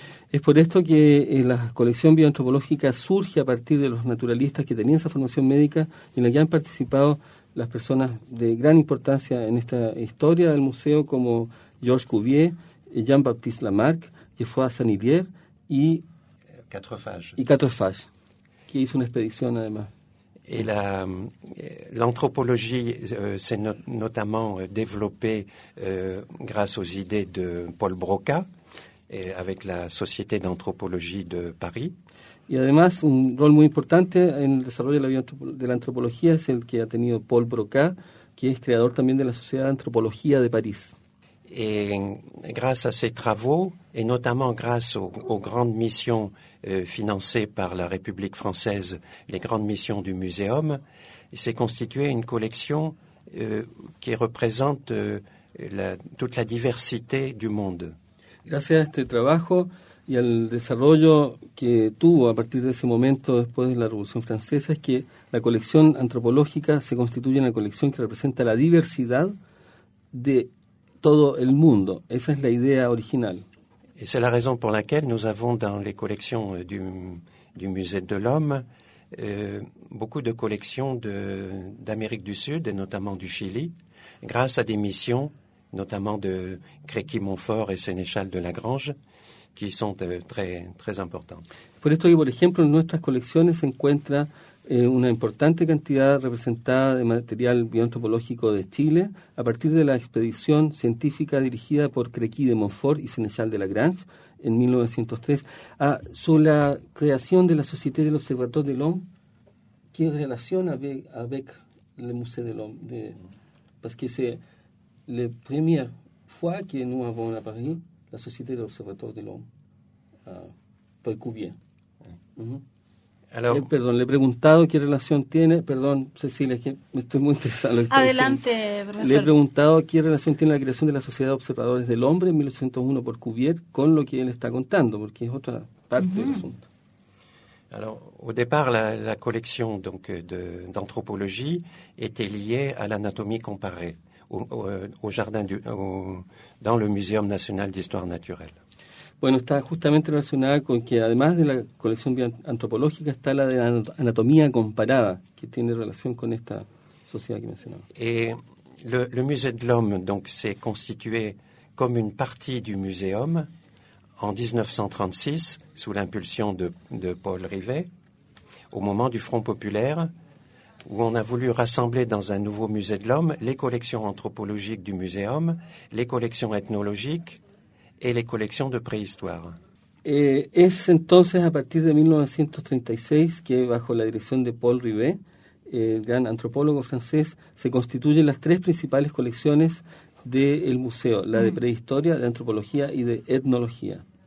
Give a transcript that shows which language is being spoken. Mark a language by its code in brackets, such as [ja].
[es] Es por esto que la colección bioantropológica surge a partir de los naturalistas que tenían esa formación médica y en la que han participado las personas de gran importancia en esta historia del museo como Georges Cuvier, Jean-Baptiste Lamarck, Geoffroy Saint-Hilaire y Quatrefages. Y Quatrefages, que hizo una expedición además. [fr] Et l'anthropologie s'est notamment développée grâce aux idées de Paul Broca et avec la Société d'anthropologie de Paris. [es] Y además un rol muy importante en el desarrollo de la antropología es el que ha tenido Paul Broca, [fr] qui est créateur [es] también de la Sociedad de Antropología de París. [fr] Et grâce à ses travaux et notamment grâce aux grandes missions financé par la République française, les grandes missions du muséum, s'est constituée une collection qui représente toute la diversité du monde. [es] Grâce à ce travail et au développement qu'il a eu à partir de ce moment, après la Révolution française, c'est que la collection anthropologique se constitue une collection qui représente la diversité de tout le monde. Esa es la idée originale. [fr] Et c'est la raison pour laquelle nous avons dans les collections du Musée de l'Homme beaucoup de collections d'Amérique du Sud et notamment du Chili, grâce à des missions, notamment de Créqui-Montfort et Sénéchal de Lagrange, qui sont très, très importantes. [es] Por esto, por ejemplo, en nuestras colecciones se encuentra una importante cantidad representada de material bioantropológico de Chile a partir de la expedición científica dirigida por Créqui de Montfort y Sénéchal de Lagrange en 1903. Sobre la creación de la Société de l'Observatoire de l'Homme, ¿qué relación había [fr] avec le Musée de l'Homme? Parce que c'est la première fois que nous avons à Paris la Société de l'Observatoire de l'Homme, par Cuvier. Alors, pardon, [es] le preguntado qué relación tiene, perdón, Cecilia, que me estoy muy interesado en lo que está Adelante, diciendo. Profesor. Le he preguntado qué relación tiene la creación de la Sociedad de Observadores del Hombre en 1801 por Cuvier con lo que él está contando, porque es otra parte del asunto. [fr] Alors, au départ, la collection donc d'anthropologie était liée à l'anatomie comparée au jardin dans le Muséum national d'histoire naturelle. [es] Bueno, está justamente relacionada con que además de la colección antropológica está la de la anatomía comparada, que tiene relación con esta sociedad que mencionaba. [fr] Le Musée de l'Homme donc s'est constitué comme une partie du muséum en 1936 sous l'impulsion de Paul Rivet au moment du Front populaire où on a voulu rassembler dans un nouveau Musée de l'Homme les collections anthropologiques du muséum, les collections ethnologiques et les collections de préhistoire. [es] Es entonces à partir de 1936 que, bajo la dirección de Paul Rivet, el gran antropólogo francés, se constituyen las tres principales colecciones del museo, la de prehistoria, de antropología y de etnología.